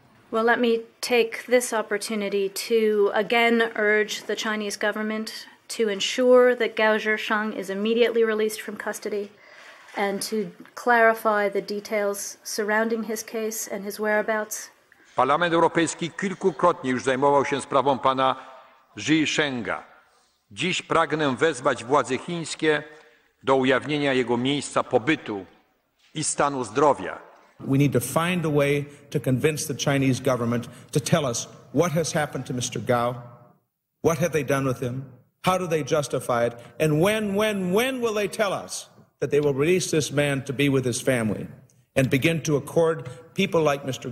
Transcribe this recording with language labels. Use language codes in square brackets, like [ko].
[en] Well, let me take this opportunity to again urge the Chinese government to ensure that Gao Zhisheng is immediately released from custody and to clarify the details surrounding his case and his whereabouts. [pl] Parlament Europejski kilkukrotnie już zajmował się sprawą pana Zhisheng'a. Dziś pragnę wezwać władze chińskie do ujawnienia jego miejsca pobytu i stanu zdrowia. [en] We need to find a way to convince the Chinese government to tell us what has happened to Mr. Gao, what have they done with him, how do they justify it, and when will they tell us that they will release this man to be with his family and begin to accord people like Mr.